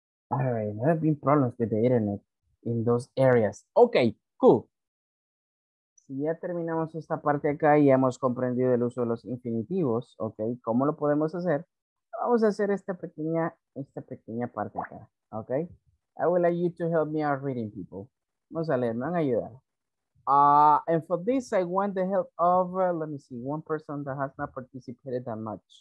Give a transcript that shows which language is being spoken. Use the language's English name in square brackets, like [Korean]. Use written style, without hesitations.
[English] All right, there have been problems with the internet in those areas. Okay, cool. [Spanish] Si ya terminamos esta parte acá y hemos comprendido el uso de los infinitivos, okay, ¿cómo lo podemos hacer? Vamos a hacer esta pequeña parte acá, okay? [English] I would like you to help me out reading, people. [Spanish] Vamos a leer, me van a ayudar. [English] And for this, I want the help of, let me see, one person that has not participated that much.